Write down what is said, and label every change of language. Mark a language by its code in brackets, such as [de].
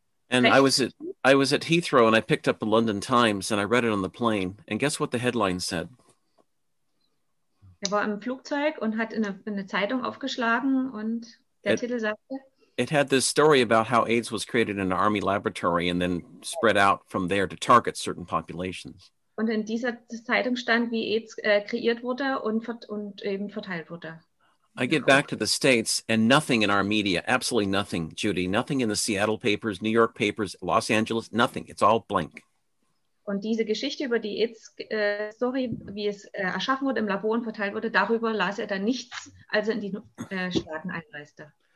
[en] And I was at Heathrow and I picked up the London Times and I read it on the plane. And guess what the headline said? [de] Er war im Flugzeug und hat in eine Zeitung aufgeschlagen und der Titel sagte. [en] It had this story about how AIDS was created in an army laboratory and then spread out from there to target certain populations. [de] Und in dieser Zeitung stand, wie AIDS kreiert wurde und eben verteilt wurde. [en] I get back to the States and nothing in our media, absolutely nothing, Judy, nothing in the Seattle papers, New York papers, Los Angeles, nothing. It's all blank. [de] Und diese Geschichte über die AIDS-Story, wie es erschaffen wurde, im Labor und verteilt wurde, darüber las er dann nichts, als er in die Staaten einreiste.